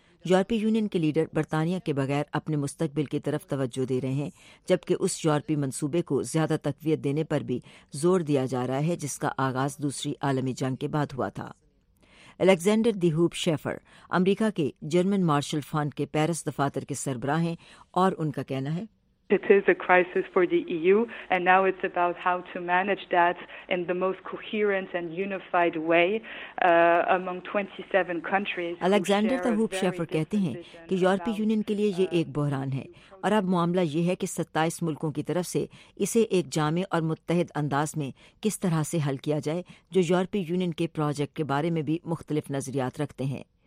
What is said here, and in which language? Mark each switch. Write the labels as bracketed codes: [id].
[ur] یورپی یونین کے لیڈر برطانیہ کے بغیر اپنے مستقبل کی طرف توجہ دے رہے ہیں، جبکہ اس یورپی منصوبے کو زیادہ تقویت دینے پر بھی زور دیا جا رہا ہے جس کا آغاز دوسری عالمی جنگ کے بعد ہوا تھا. الیگزینڈر دی ہوپ شیفر امریکہ کے جرمن مارشل فنڈ کے پیرس دفاتر کے سربراہ ہیں اور ان کا کہنا ہے [en] It is a crisis for the EU and now it's about how to manage that in the most coherent and unified way among 27 countries. [ur] Alexander the hope Schaefer کہتے ہیں کہ یورپی یونین کے لیے یہ ایک بحران ہے اور اب معاملہ یہ ہے کہ 27 ملکوں کی طرف سے اسے ایک جامع اور متحد انداز میں کس طرح سے حل کیا جائے، جو یورپی یونین کے پروجیکٹ کے بارے میں بھی مختلف نظریات رکھتے ہیں.